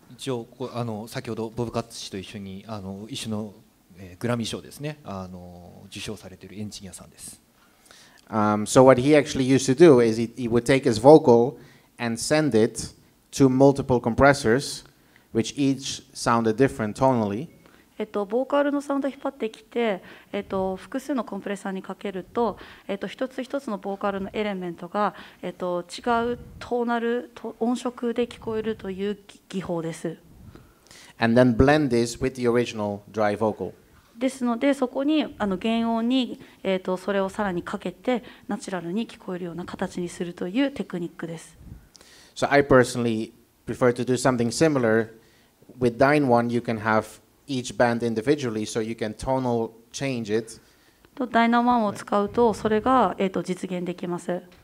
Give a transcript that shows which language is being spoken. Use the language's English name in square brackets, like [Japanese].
[Japanese] 一応先ほどBob Katz氏と一緒に一緒のグラミー賞ですね、受賞されているエンジニアさんです。 [English] So what he actually used to do is he would take his vocal and send it to multiple compressors. Which each sounded different tonally. [Japanese] ボーカルのサウンドを引っ張ってきて、複数のコンプレッサーにかけると、一つ一つのボーカルのエレメントが、違うトーナル、音色で聞こえるという技法です。 [English] And then blend this with the original dry vocal. [Japanese] ですので、そこに原音に、それをさらにかけて、ナチュラルに聞こえるような形にするというテクニックです。 [English] So I personallyprefer to do something similar with DynOne. You can have each band individually, so you can tonal change it. [Japanese] とダイナワンを使うとそれが実現できます。